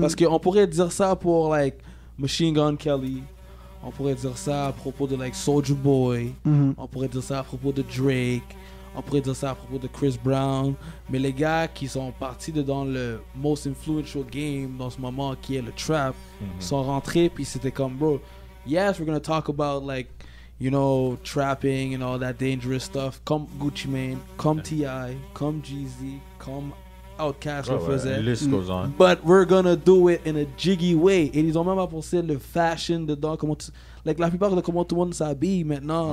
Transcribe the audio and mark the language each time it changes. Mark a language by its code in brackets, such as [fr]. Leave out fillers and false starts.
[fr] Parce qu'on pourrait dire ça pour, like, Machine Gun Kelly. On pourrait dire ça à propos de, like, Soulja Boy. Mm. On pourrait dire ça à propos de Drake. On pourrait dire ça à propos de Chris Brown. Mais les gars qui sont partis dedans le [en] most influential game [fr] dans ce moment, qui est le trap, sont rentrés, puis c'était comme, bro... [en] Yes, we're gonna talk about like, you know, trapping and all that dangerous stuff. Come Gucci Mane, come T.I., come Jeezy, come Outkast. Oh, ouais. List goes on. But we're gonna do it in a jiggy way. [fr] Et ils ont même apporté le fashion dedans. Comment like la plupart de comment tout le monde s'habille maintenant.